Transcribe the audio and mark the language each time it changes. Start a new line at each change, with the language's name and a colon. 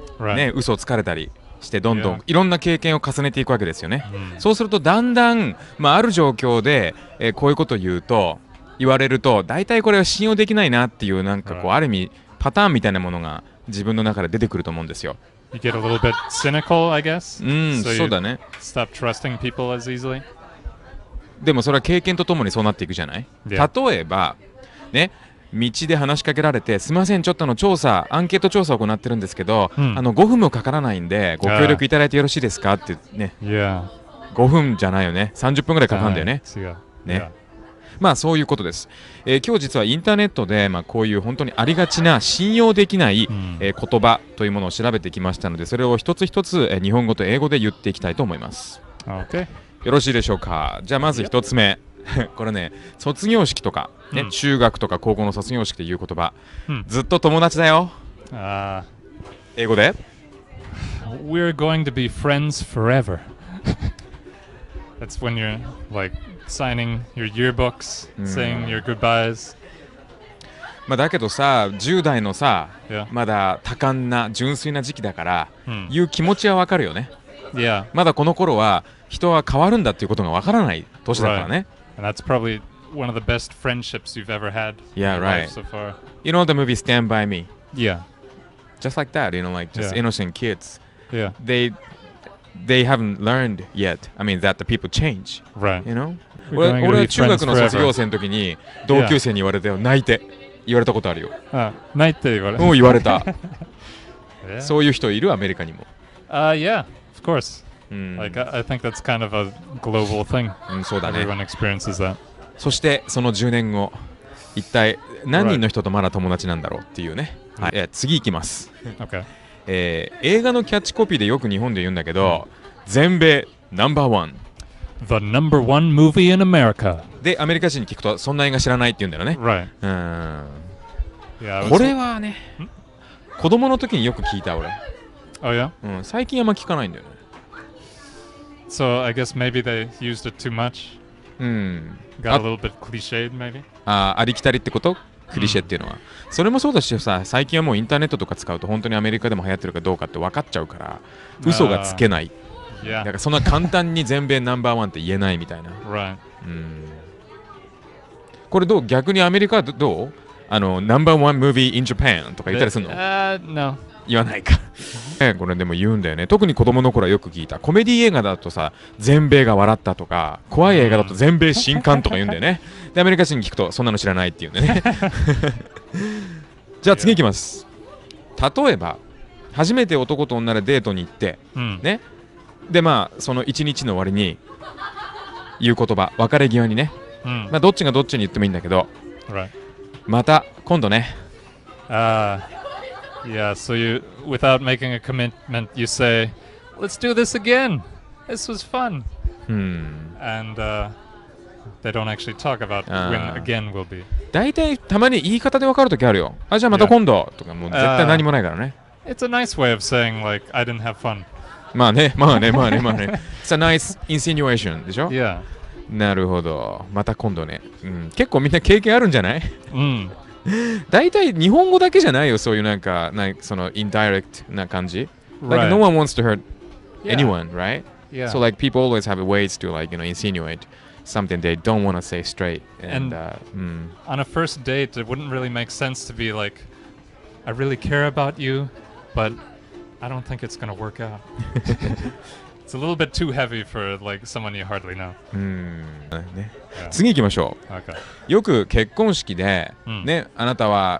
English: right.
Japanese: ね、嘘をつかれたりしてどんどん、yeah. いろんな経験を重ねていくわけですよね。 Mm. そうするとだんだん、まあ、ある状況で、こういうことを言うと言われるとだいたいこれは信用できないなっていうなんかこう、right. ある意味パターンみたいなものが自分の中で出てくると思うんですよ。
English: You get a little bit cynical, I guess. So you stop trusting people as easily.
Japanese: でもそれは経験とともにそうなっていくじゃない、
English: yeah.
Japanese: 例えば、ね、道で話しかけられて、すみません、ちょっとの調査、アンケート調査を行ってるんですけど、5分もかからないんで、ご協力いただいてよろしいですかってね。
English: Yeah.
Japanese: 5分じゃないよね。 30分ぐらいかかるんだよね。違う。ね。まあそういうことです、今日実はインターネットで、まあ、こういう本当にありがちな信用できない、言葉というものを調べてきましたのでそれを一つ一つ、日本語と英語で言っていきたいと思います、
English: okay.
Japanese: よろしいでしょうか。じゃあまず一つ目、これね、卒業式とか、ね、中学とか高校の卒業式で言う言葉、ずっと友達だよ、英語で
English: We're going to be friends forever. That's when you're likeSigning your yearbooks, saying your goodbyes.
Japanese: まあだけどさ、10代のさ、
English: yeah.
Japanese: まだ多感な純粋な時期だから、いう気持ちはわかるよね。
English: Yeah.
Japanese: まだこの頃は人は変わるんだっていうことがわからない年だからね。
English: Right. And that's probably one of the best friendships you've ever had. Yeah, in right. Life so far. You know the movie Stand by Me? Yeah. Just like that, you know, like just、 yeah. innocent kids. Yeah. They haven't learned yet. I mean that the people change. Right. You know.
Japanese: 俺は中学の卒業生の時に同級生に言われたよ、泣いて言われたことあるよ。泣いて言われた。言われた。そういう人いる、アメリカにも。
English: Yeah, of course. Like, I think that's kind of a global thing.
Japanese: そうだね。
English: Everyone experiences that.
Japanese: そしてその10年後、一体何人の人とまだ友達なんだろうっていうね。はい、次いきます。
English: Okay.
Japanese: 映画のキャッチコピーでよく日本で言うんだけど、全米ナンバーワン。
English: The number one movie in America.
Japanese: で、アメリカ人に聞くと、そんな映画知らないって言うんだよね。
English: Right.
Japanese: Yeah, これはね、子供の時によく聞いた俺。
English: Oh, yeah?
Japanese: 最近あんま聞かないんだよね。
English: So, I guess maybe they used it too much. Got a little bit cliched, maybe.
Japanese: ありきたりってこと? クリシェっていうのは。それもそうだしさ、最近はもうインターネットとか使うと、本当にアメリカでも流行ってるかどうかって分かっちゃうから、嘘がつけない。
English: Yeah.
Japanese: なんかそんな簡単に全米ナンバーワンって言えないみたいな。
English: Right.
Japanese: これどう、逆にアメリカはどう、
English: ナンバーワンムービーインジャパン
Japanese: とか言ったりするの、
English: No.
Japanese: 言わないか。これでも言うんだよね。特に子供の頃はよく聞いた。コメディ映画だとさ、全米が笑ったとか、怖い映画だと全米震撼とか言うんだよね。で、アメリカ人に聞くとそんなの知らないっていうんだよね。じゃあ次いきます。例えば、初めて男と女でデートに行って、ね、でまあその1日の終わりに言う言葉、別れ際にね、まあどっちがどっちに言ってもいいんだけど、また今度ね。
English: Yeah, so you, without making a commitment, you say, let's do this again. This was fun. And they don't actually talk about when again will be.
Japanese: だいたいたまに言い方でわかるときあるよ。あ、じゃあまた今度とか、もう絶対何もないからね。
English: It's a nice way of saying like I didn't have fun.
Japanese: まあね、まあね、まあね、まあね。
English: It's a nice insinuation でしょ、 yeah.
Japanese: なるほど。また今度ね、結構みんな経験あるんじゃない、だいたい日本語だけじゃないよ、そういうなんか、なんかその indirect な感じ。
English: Right. Like, no one wants to hurt anyone, yeah. right? Yeah. So like, people always have ways to like, you know, insinuate something they don't want to say straight. And on a first date, it wouldn't really make sense to be like, I really care about you, butI don't think it's gonna work out. It's a little bit too heavy for like someone you hardly know.
Japanese: ね、yeah. 次行きましょう。
English: Okay.
Japanese: よく結婚式で、ね、あなたは